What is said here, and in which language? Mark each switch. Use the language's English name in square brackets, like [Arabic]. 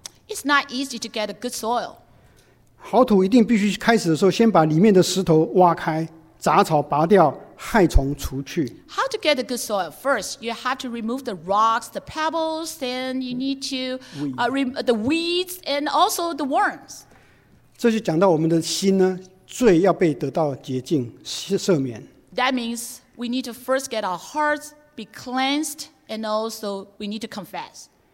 [English] It's not easy to get a good soil. [Chinese] 好土一定必须开始的时候先把里面的石头挖开，杂草拔掉。害虫除去。 [English] How to get a good soil? First, you have to remove the rocks, the pebbles, then you need to the weeds and also the worms. [Chinese] 这就讲到我们的心呢，罪要被得到洁净、赦免。 [English] That means we need to first get our hearts be cleansed and also we need to confess.